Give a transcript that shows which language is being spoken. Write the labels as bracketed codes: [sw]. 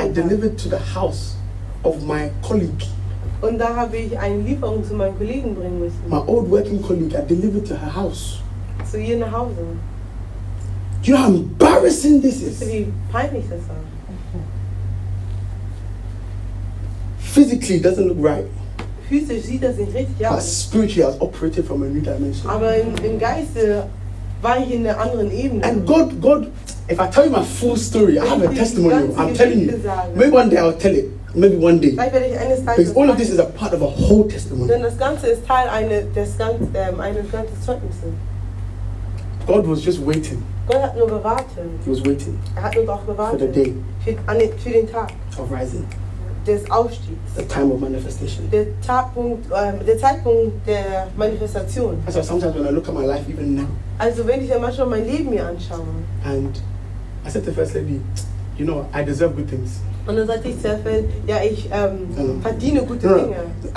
[en] I delivered to the house of my colleague. [de] Und da habe ich einen Lieferung zu meinem Kollegen bringen müssen. [en] My old working colleague, I delivered to her house. So you're in the house. Do you know how embarrassing this is? [de] Wie peinlich das war. [en] Physically, it doesn't look right. [de] Physisch sieht das nicht richtig aus. [en] But spiritually, I was operating from a new dimension. [de] Aber im Geiste war ich in einer anderen Ebene. [en] And God, if I tell you my full story, I have a testimony. I'm telling you. Maybe one day I'll tell it. Maybe one day. Because all of this is a part of a whole testimony. [de] Denn das Ganze ist Teil eines ganzen Zeugnisses. [en] God was just waiting. [de] God hat nur gewartet. [en] He was waiting. [de] Er hat nur doch gewartet. [en] For the day. [de] Für den Tag. [en] Of rising. [de] Des Aufstiegs. [en] The time of manifestation. [de] Der Zeitpunkt der Manifestation. [en] Also sometimes when I look at my life, even now. [de] Also wenn ich ja mal schon mein Leben mir anschaue. [en] And I said to the first lady, you know, I deserve good things. [de] Und dann sagte ich zur Frau, ja, ich verdiene gute Dinge.